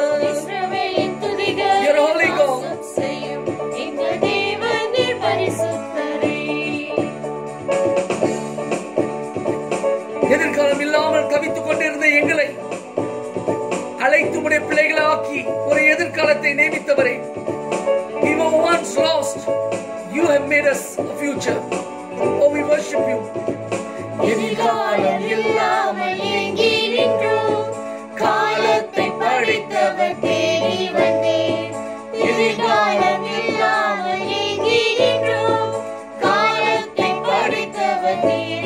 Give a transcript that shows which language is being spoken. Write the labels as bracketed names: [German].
[Tamil] இஸ்ரவேலின் துதிகளில் வாசம் செய்யும் எங்கள் தேவன், நீர் பரிசுத்தரே. எதிர்காலம் இல்லாமல் தவித்துக் கொண்டிருந்த எங்களை அழைத்து உடைய பிள்ளைகளை ஆக்கி ஒரு எதிர்காலத்தை நியமித்தவரே. [English] We were once lost, you have made us a future. Oh, we worship you. [Tamil] எதிர்காலம் இல்லாமல் எங்கி நின்றோம், காலத்தை படித்தவர் தேடி வந்தேன். எதிர்காலம் இல்லாமல் எங்கி நின்றோம், காலத்தை படித்தவர் தேடி